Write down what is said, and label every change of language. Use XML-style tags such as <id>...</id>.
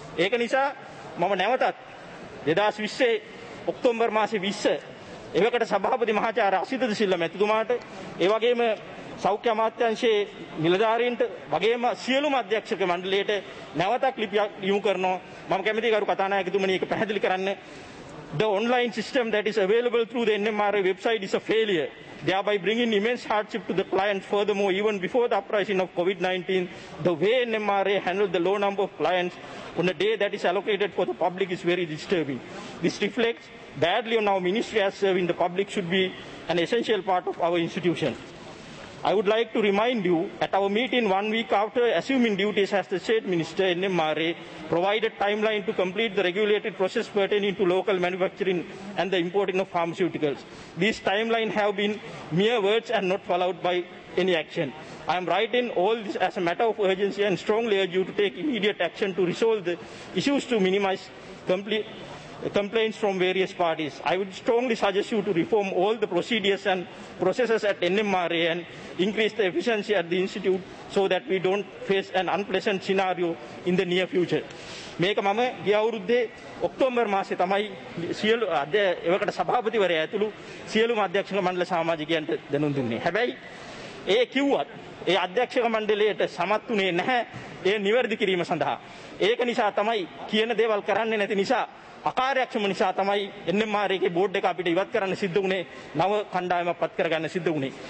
<si>ඒක නිසා මම නැවතත් 2020 ඔක්තෝබර් මාසේ 20 එවකට සභාපති මහාචාර්ය අසිතද සිල්ල මැතිතුමාට, ඒ වගේම සෞඛ්‍ය අමාත්‍යාංශයේ නිලධාරීන්ට, වගේම සියලුම අධ්‍යක්ෂක මණ්ඩලයට නැවතක් ලිපියක් යොමු කරනවා. මම කැමැති ගරු කථානායකතුමනි ඒක පැහැදිලි කරන්න.</si> <en>The online system that is available through the NMRA website is a failure, thereby bringing immense hardship to the client. Furthermore, even before the uprising of COVID-19, the way NMRA handled the low number of clients on a day that is allocated for the public is very disturbing. This reflects badly on our ministry as serving the public should be an essential part of our institution. I would like to remind you, at our meeting 1 week after assuming duties as the state minister, NMRA provided timeline to complete the regulated process pertaining to local manufacturing and the importing of pharmaceuticals. These timelines have been mere words and not followed by any action. I am writing all this as a matter of urgency and strongly urge you to take immediate action to resolve the issues to minimize complaints from various parties. I would strongly suggest you to reform all the procedures and processes at NMRA and increase the efficiency at the institute so that we don't face an unpleasant scenario in the near future.</en> <si>මේක මම ගිය අවුරුද්දේ October මාසේ තමයි සියලු එවකට සභාපතිවරයා ඇතුළු සියලුම අධ්‍යක්ෂක මණ්ඩල සමාජිකයන්ට දැනුම් දුන්නේ. හැබැයි ඒ කිව්වත් ඒ අධ්‍යක්ෂක මණ්ඩලයට සමත්ුනේ නැහැ ඒ නිවැරදි කිරීම සඳහා. ඒක නිසා තමයි කියන දේවල් කරන්නේ නැති නිසා, අකාර්යක්ෂම නිසා තමයි NMRA බෝඩ් එක අපිට ඉවත් කරන්න සිද්ධ වුණේ, නව කණ්ඩායමක් පත් කරගන්න සිද්ධ වුණේ.</si>